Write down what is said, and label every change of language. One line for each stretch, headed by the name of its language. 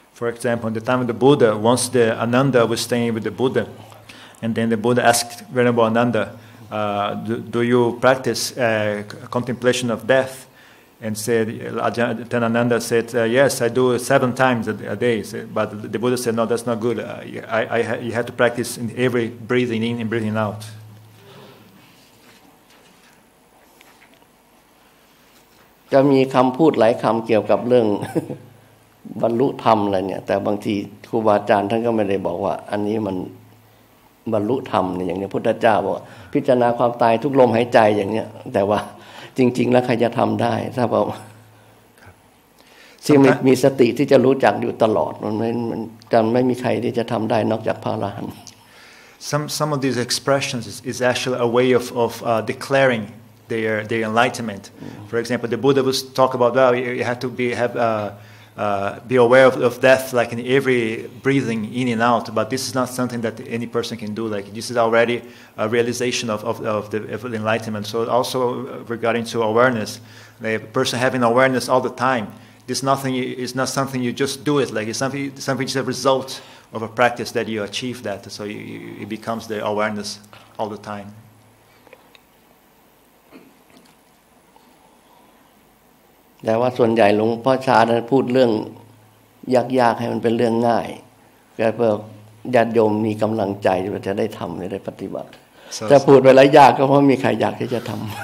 English: For example in the time of the Buddha once the Ananda was staying with the Buddha and then the Buddha asked Venerable Ananda do you practice contemplation of deathAnd said, Ajahn Ananda said, yes, I do seven times a day. But the Buddha said, no, that's not good. You have to practice in every breathing in and breathing out.
Thai: จะมีคำพูดหลายคำเกี่ยวกับเรื่องบรรลุธรรมอะไรเนี่ยแต่บางทีครูบาอาจารย์ท่านก็ไม่ได้บอกว่าอันนี้มันบรรลุธรรมเนี่ยอย่างนี้พุทธเจ้าบอกพิจารณาความตายทุกลมหายใจอย่างนี้แต่ว่าจริงๆแล้วใครจะทำได้ถ้าเราที่มีสติที่จะรู้จักอยู่ตลอดมันจะไม่มีใครที่จะทำได้นอกจากพระอรหันต์
English: Some of these expressions is actually a way of declaring their enlightenment. For example, the Buddha was talk about that you have to be aware of death like in every breathing in and out. But this is not something that any person can do. Like this is already a realization of the enlightenment. So also regarding to awareness, like, a person having awareness all the time, it's not something you just do it. Like it's something just a result of a practice that you achieve that. So it becomes the awareness all the time.
Thai: แต่ว่าส่วนใหญ่หลวงพ่อชาท่านพูดเรื่องยากๆให้มันเป็นเรื่องง่ายเพื่อญาติโยมมีกำลังใจจะได้ทำได้ปฏิบัติแต่พูดไปแล้วยากก็เพราะมีใครอยากที่จะทำ